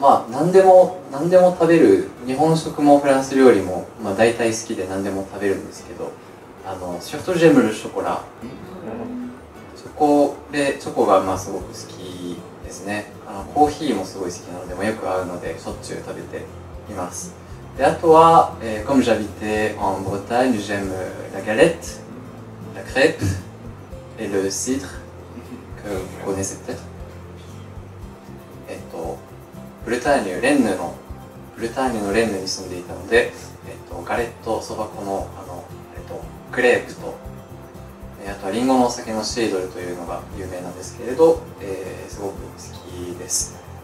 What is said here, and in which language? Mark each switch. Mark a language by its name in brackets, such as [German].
[Japanese] 何でも食べる、日本食もフランス料理も、大体好きで何でも食べるんですけど、シャフトジェムルショコラ、そこがすごく好きですね。コーヒーもすごい好きなので、よく合うのでしょっちゅう食べています。で、あとは、 [French] comme j'habite en Bretagne, j'aime la galette, la crêpe et le cidre, que vous connaissez peut-être. [Japanese] ブルターニュのレンヌに住んでいたので、ガレット、そば粉の、クレープと、あとはリンゴのお酒のシードルというのが有名なんですけれど、すごく好きです。